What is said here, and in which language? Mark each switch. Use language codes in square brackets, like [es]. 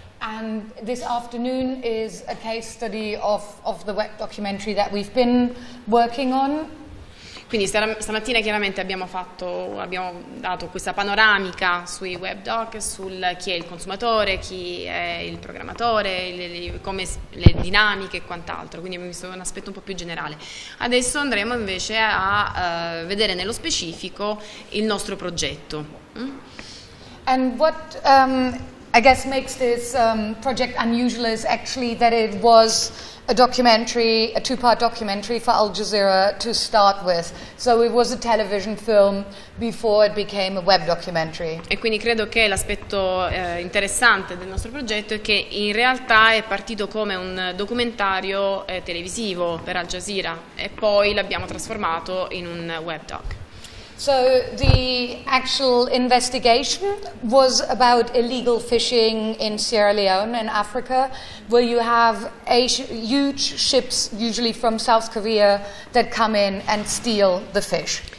[en] And this afternoon is a case study of the web documentary that we've been working on. [it] Quindi stamattina chiaramente abbiamo dato questa panoramica sui webdoc, sul chi è il consumatore, chi è il programmatore, come le dinamiche e quant'altro, quindi abbiamo visto un aspetto un po' più generale. Adesso andremo invece a vedere nello specifico il nostro progetto. [en] And what I guess makes this project unusual is actually that it was a documentary, a two-part documentary for Al Jazeera to start with. So it was a television film before it became a web documentary. [it] E quindi credo che l'aspetto interessante del nostro progetto è che in realtà è partito come un documentario televisivo per Al Jazeera e poi l'abbiamo trasformato in un web doc. [en] So the actual investigation was about illegal fishing in Sierra Leone in Africa, where you have huge ships, usually from South Korea, that come in and steal the fish.